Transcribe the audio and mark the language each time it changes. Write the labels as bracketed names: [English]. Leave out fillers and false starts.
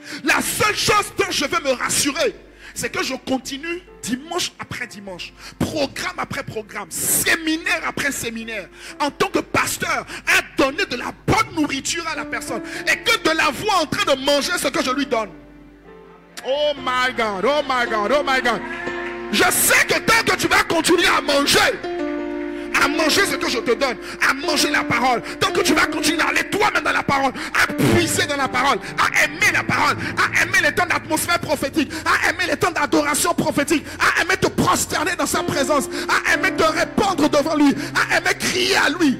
[French] La seule chose dont je veux me rassurer, c'est que je continue dimanche après dimanche, programme après programme, séminaire après séminaire, en tant que pasteur, à donner de la bonne nourriture à la personne et que de la voir en train de manger ce que je lui donne. [English] Oh my God, oh my God, oh my God. [French] Je sais que tant que tu vas continuer à manger ce que je te donne, à manger la parole, tant que tu vas continuer à aller toi-même dans la parole, à puiser dans la parole, à aimer la parole, à aimer les temps d'atmosphère prophétique, à aimer les temps d'adoration prophétique, à aimer te prosterner dans sa présence, à aimer te répandre devant lui, à aimer crier à lui.